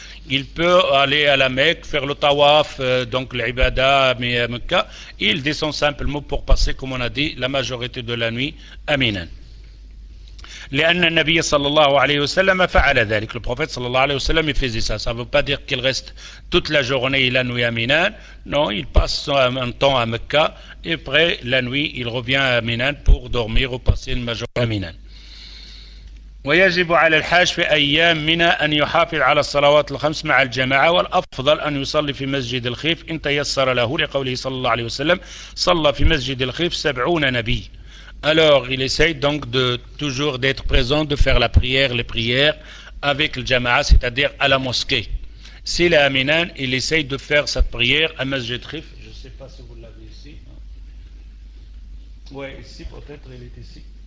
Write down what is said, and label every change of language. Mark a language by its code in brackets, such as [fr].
[fr] Il peut aller à la Mecque, faire le tawaf, donc l'ibada à Mecca. Il descend simplement pour passer, comme on a dit, la majorité de la nuit à Mina. [ar] لأن النبي صلى الله عليه وسلم فعل ذلك. [fr] البروفيت صلى الله عليه وسلم يفزي ça. Ça ne veut pas dire qu'il reste toute la journée la nuit à Minan. Non, il passe un temps à Mecca et après la nuit il revient à Minan pour dormir ou passer une majorité à Minan. [ar] ويجب على الحاج في أيام منى أن يحافظ على الصلوات الخمس مع الجماعة والأفضل أن يصلي في مسجد الخيف إن تيسر له لقوله صلى الله عليه وسلم صلى في مسجد الخيف 70 نبي. [fr] Alors, il essaye donc de toujours d'être présent, de faire la prière, les prières avec le jama'a, c'est-à-dire à la mosquée. S'il est à Minan, il essaye de faire sa prière à Masjid Khif. Je ne sais pas si vous l'avez ici. Oui, ici peut-être, il est ici.